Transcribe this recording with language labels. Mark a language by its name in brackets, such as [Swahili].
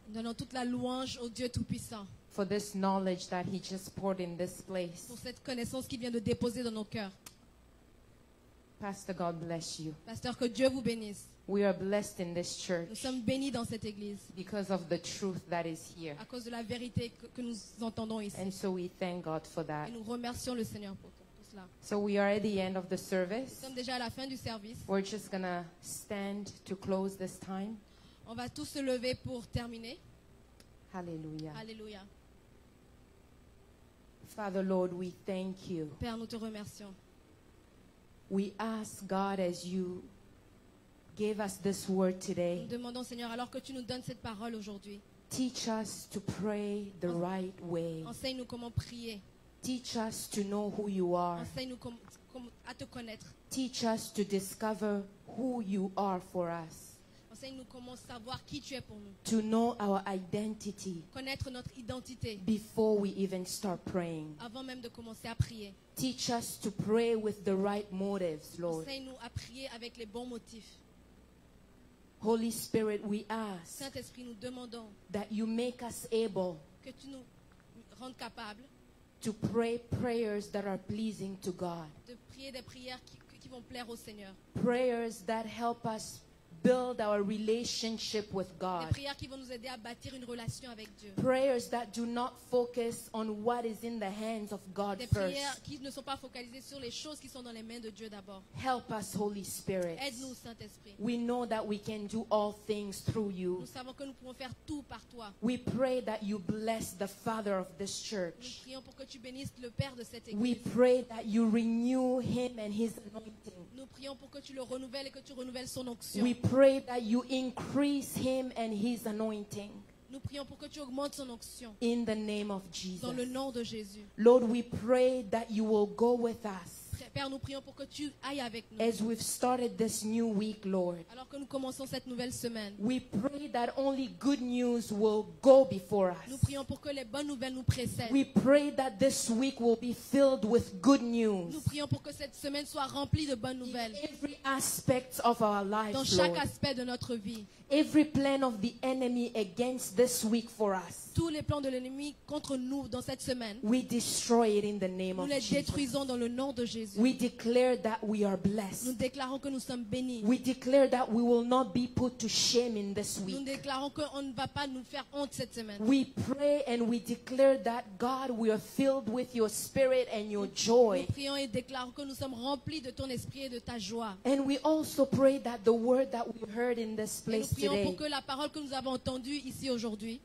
[French] Nous donnons toute la louange au Dieu Tout-Puissant. [English] For this knowledge that He just poured in this place. [French] Pour cette connaissance qu'il vient de déposer dans nos cœurs. [English] Pastor, God bless you. [French] Pasteur, que Dieu vous bénisse. [English] We are blessed in this church. [French] Nous sommes bénis dans cette église. [English] Because of the truth that is here. [French] À cause de la vérité que nous entendons ici. [English] And so we thank God for that. [French] Et nous remercions le Seigneur pour tout cela. [English] So we are at the end of the service. [French] Nous sommes déjà à la fin du service. [English] We're just gonna stand to close this time. [French] On va tous se lever pour terminer. [English] Hallelujah. [French] Hallelujah. [English] Father Lord, we thank you. [French] Père, nous te remercions. [English] We ask God as you gave us this word today. [French] Nous demandons Seigneur alors que tu nous donnes cette parole aujourd'hui. [English] Teach us to pray the right way. [French] Enseigne-nous comment prier. [English] Teach us to know who you are. [French] Enseigne-nous comment à te connaître. [English] Teach us to discover who you are for us. [French] Enseigne-nous comment savoir qui tu es pour nous. [English] To know our identity. [French] Connaître notre identité. [English] Before we even start praying. [French] Avant même de commencer à prier. [English] Teach us to pray with the right motives, Lord. [French] Enseigne-nous à prier avec les bons motifs. [English] Holy Spirit, we ask. [French] Saint-Esprit, nous demandons. [English] That you make us able. [French] Que tu nous rendes capables. [English] To pray prayers that are pleasing to God. [French] De prier des prières qui vont plaire au Seigneur. [English] Prayers that help us build our relationship with God. [French] Les prières qui vont nous aider à bâtir une relation avec Dieu. [English] Prayers that do not focus on what is in the hands of God first. [French] Des prières qui ne sont pas focalisées sur les choses qui sont dans les mains de Dieu d'abord. [English] Help us, Holy Spirit. [French] Aide-nous, Saint-Esprit. [English] We know that we can do all things through you. [French] Nous savons que nous pouvons faire tout par toi. [English] We pray that you bless the father of this church. [French] Nous prions pour que tu bénisses le père de cette église. [English] We pray that you renew him and his anointing. [French] Nous prions pour que tu le renouvelles et que tu renouvelles son onction. [English] We pray that you increase him and his anointing. [French] Nous prions pour que tu augmentes son onction. [English] In the name of Jesus. [French] Dans le nom de Jésus. [English] Lord, we pray that you will go with us. [French] Père, nous prions pour que tu ailles avec nous. [English] As we've started this new week, Lord. [French] Alors que nous commençons cette nouvelle semaine. [English] We pray that only good news will go before us. [French] Nous prions pour que les bonnes nouvelles nous précèdent. [English] We pray that this week will be filled with good news. [French] Nous prions pour que cette semaine soit remplie de bonnes nouvelles. [English] In every aspect of our life, [French] dans chaque [English] Lord. [French] Aspect de notre vie. [English] Every plan of the enemy against this week for us. [French] Tous les plans de l'ennemi contre nous dans cette semaine. [English] We destroy it in the name of Jesus. [French] Nous les détruisons dans le nom de Jésus. [English] We declare that we are blessed. [French] Nous déclarons que nous sommes bénis. [English] We declare that we will not be put to shame in this week. [French] Nous déclarons que on ne va pas nous faire honte cette semaine. [English] We pray and we declare that God, we are filled with your spirit and your joy. [French] Nous prions et déclarons que nous sommes remplis de ton esprit et de ta joie. [English] And we also pray that the word that we heard in this place today. [French] Nous prions pour que la parole que nous avons entendue ici aujourd'hui